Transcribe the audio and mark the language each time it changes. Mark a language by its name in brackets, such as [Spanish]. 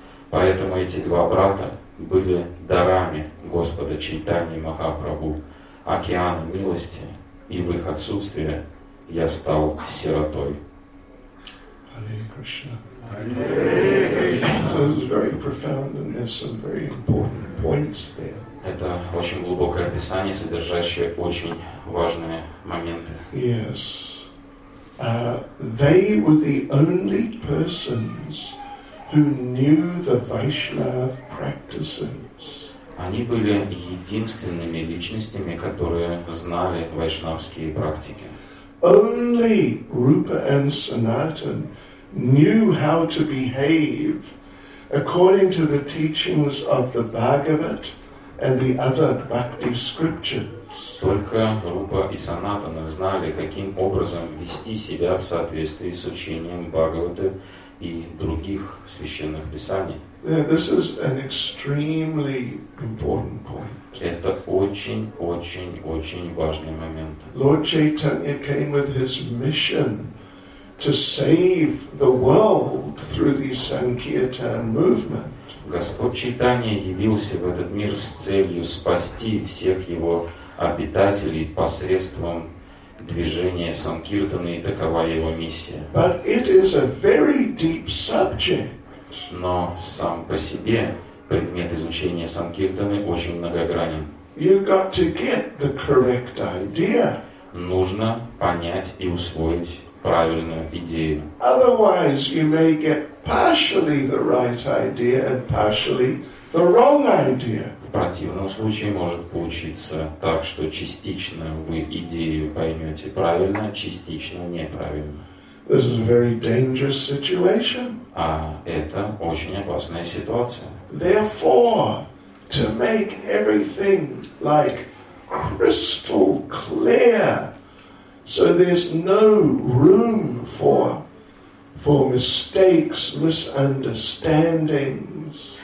[Russian] Поэтому эти два брата были дарами Господа Чайтаньи Махапрабху, океана милости, и в их отсутствие я стал сиротой. [Sanskrit] Hare Krishna. Hare Krishna. [Russian] Это очень глубокое описание, содержащее очень важные моменты. [English] Yes. They were the only persons who knew the Vaishnav practices. [Russian] Они были единственными личностями, которые знали вайшнавские практики. [English] Only Rupa and Sanatan knew how to behave according to the teachings of the Bhagavat and the other bhakti scriptures. [Russian] Только Рупа и Санатана знали, каким образом вести себя в соответствии с учением Бхагавата и других священных писаний. [English] Yeah, this is an extremely important point. [Russian] Это очень-очень-очень важный момент. [English] Lord Chaitanya came with his mission to save the world through the Sankirtan movement. [Russian] Господь Чайтанья явился в этот мир с целью спасти всех его обитателей посредством движения Санкиртаны, и такова его миссия. [English] But it is a very deep subject. [Russian] Но сам по себе предмет изучения Санкиртаны очень многогранен. [English] You've got to get the correct idea. [Russian] Нужно понять и усвоить правильную идею. [English] Otherwise you may get partially the right idea and partially the wrong idea. [Russian] В противном случае может получиться так, что частично вы идею поймете правильно, частично неправильно. [English] This is a very dangerous situation. [Russian] А это очень опасная ситуация. [English] Therefore, to make everything like crystal clear, so there's no room for mistakes, misunderstandings.